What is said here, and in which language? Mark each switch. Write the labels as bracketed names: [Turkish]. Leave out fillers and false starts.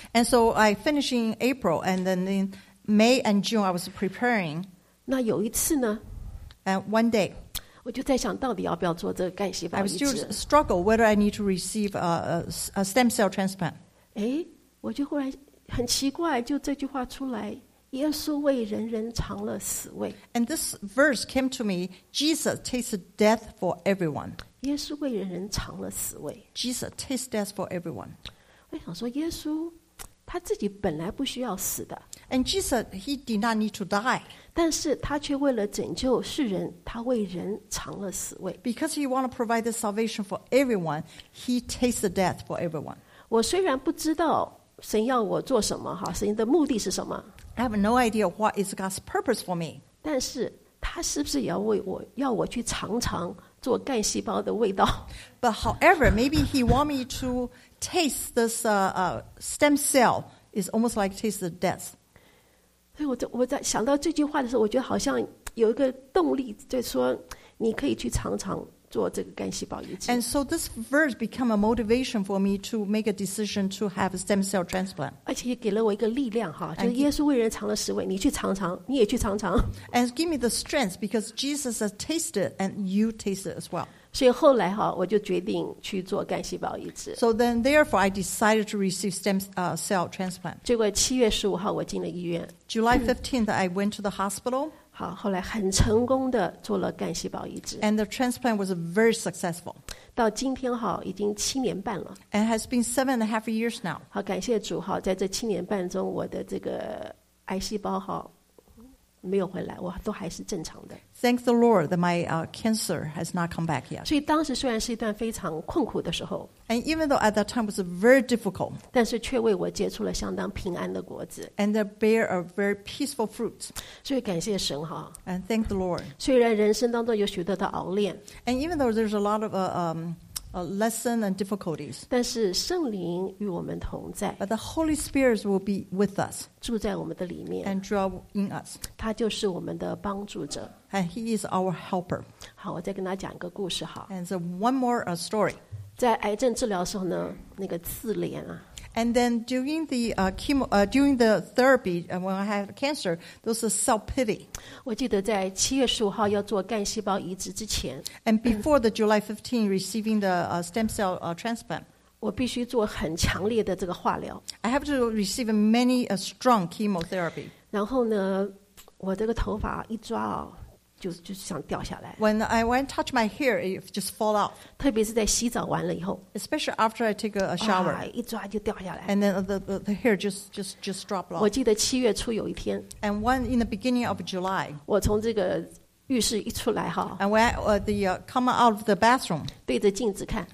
[English] And so I finished in April, and then in May and June I was preparing. [Chinese] 那有一次呢 [English] ？And one day. [Chinese] 我就在想到底要不要做这个干细胞移植。 [English] I still struggle whether I need to receive a stem cell transplant. [Chinese] 哎，我就忽然很奇怪，就这句话出来，耶稣为人人尝了死味。 [English] And this verse came to me, Jesus tasted death for everyone. [Chinese] 耶稣为人人尝了死味。 [English] Jesus tasted death for everyone. [Chinese] 我想说，耶稣他自己本来不需要死的。 [English] And Jesus, he did not need to die. [Chinese] 但是他却为了拯救世人，他为人尝了死味。 [English] Because he wanted to provide the salvation for everyone, he tasted death for everyone. [Chinese] 我虽然不知道神要我做什么，神的目的是什么。 [English] I have no idea what is God's purpose for me. [Chinese] 但是他是不是也要为我，要我去尝尝做干细胞的味道。 [English] But however, maybe he want me to taste this stem cell is almost like taste of death. [Chinese] 所以我在想到这句话的时候，我觉得好像有一个动力，就是说你可以去尝尝做这个干细胞移植。 [English] And so this verse became a motivation for me to make a decision to have a stem cell transplant. [Chinese] 而且也给了我一个力量哈，就是耶稣为人尝了十味，你去尝尝，你也去尝尝。 [English] And give me the strength because Jesus has tasted and you taste it as well. [Chinese] 所以后来哈，我就决定去做干细胞移植。 [English] So then, therefore, I decided to receive stem cell transplant. [Chinese] 结果七月十五号我进了医院。 [English] July 15th, I went to the hospital. [Chinese] 好，后来很成功的做了干细胞移植。 [English] And the transplant was very successful. [Chinese] 到今天哈，已经七年半了。 [English] And has been 7.5 years now. [Chinese] 好，感谢主哈，在这七年半中，我的这个癌细胞哈没有回来，我都还是正常的。 [English] Thank the Lord that my cancer has not come back yet. [Chinese] 所以当时虽然是一段非常困苦的时候 [English] ，and even though at that time was very difficult, [Chinese] 但是却为我结出了相当平安的果子 [English] ，and they bear a very peaceful fruit. [Chinese] 所以感谢神哈 [English] ，and thank the Lord. [Chinese] 虽然人生当中有许多的熬炼 [English] ，and even though there's a lot of a lesson and difficulties, [Chinese] 但是圣灵与我们同在 [English] ，but the Holy Spirit will be with us, [Chinese] 住在我们的里面 [English] ，and dwell in us. [Chinese] 他就是我们的帮助者。 [English] And he is our helper. [Chinese] 好，我再跟他讲一个故事哈。 [English] And so one more story. [Chinese] 在癌症治疗的时候呢，那个刺脸啊。 [English] And then during the during the therapy when I had cancer, those are self pity. [Chinese] 我记得在七月十五号要做干细胞移植之前。 [English] And before the July 15 receiving the stem cell transplant. [Chinese] 我必须做很强烈的这个化疗。 [English] I have to receive many a strong chemotherapy. [Chinese] 然后呢，我这个头发一抓哦。就想掉下来。 [English] When I went touch my hair, it just fall off. [Chinese] 特别是在洗澡完了以后。 [English] Especially after I take a shower. [Chinese] 一抓就掉下来。 [English] And then the hair just drop off. [Chinese] 我记得七月初有一天。 [English] And one in the beginning of July. [Chinese] 我从这个浴室一出来哈。 [English] And when come out of the bathroom. [Chinese] 对着镜子看。